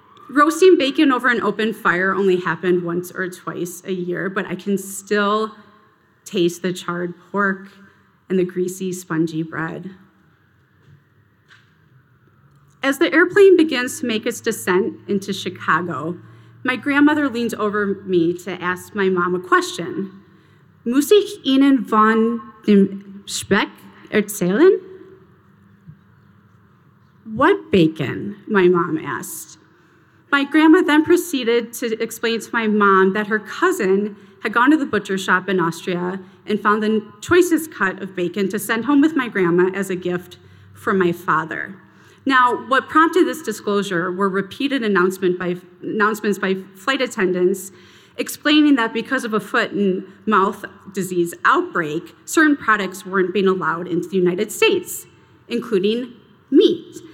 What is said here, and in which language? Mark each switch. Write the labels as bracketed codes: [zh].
[en] Roasting bacon over an open fire only happened once or twice a year, but I can still taste the charred pork and the greasy, spongy bread. As the airplane begins to make its descent into Chicago, my grandmother leans over me to ask my mom a question. [de] Muss ich Ihnen von dem Speck erzählen? [en] What bacon? My mom asked. My grandma then proceeded to explain to my mom that her cousin had gone to the butcher shop in Austria and found the choicest cut of bacon to send home with my grandma as a gift for my father. Now, what prompted this disclosure were repeated announcements by flight attendants explaining that because of a foot and mouth disease outbreak, certain products weren't being allowed into the United States, including meat.